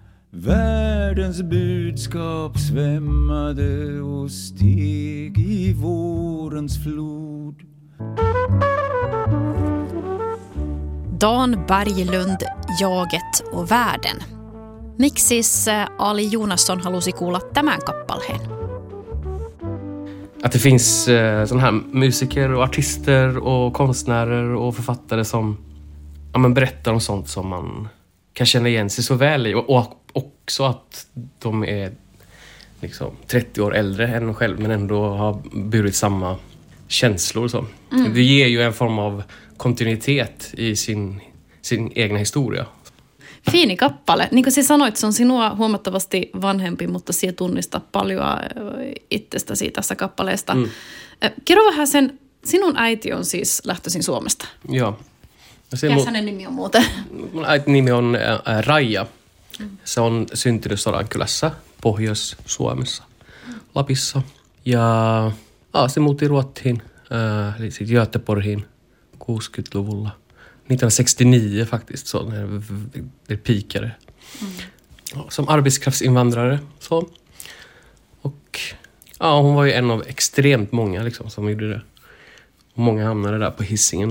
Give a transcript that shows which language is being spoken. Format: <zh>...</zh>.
<sv>Världens budskap svämmade och steg i vårens flod. Dan Berglund, Jaget och världen.</sv> <fi>Miksi Ali Jonasson halusi kuulla tämän kappaleen?</fi> <sv>Att det finns sån här musiker och artister och konstnärer och författare som ja, men berättar om sånt som man kan känna igen sig så väl i. Och också att de är liksom 30 år äldre än själv men ändå har burit samma känslor. Så. Mm. Det ger ju en form av kontinuitet i sin egna historia.</sv> <fi>Fini kappale. Niin kuin sanoit, se on sinua huomattavasti vanhempi, mutta sinä tunnistaa paljon itsestäsi tässä kappaleesta. Mm. Kerro vähän sen, sinun äiti on siis lähtöisin Suomesta. Joo. Ja hänen nimi on muuten? Mun äitin nimi on Raija. Mm. Se on syntynyt Sodankylässä, Pohjois-Suomessa, Lapissa. Ja se muutti Ruotsiin, eli sitten Göteborgiin 60-luvulla.</fi> <sv>1969 faktiskt, så när det pikade. Mm. Som arbetskraftsinvandrare. Så. Och ja, hon var ju en av extremt många liksom, som gjorde det. Och många hamnade där på Hisingen.</sv>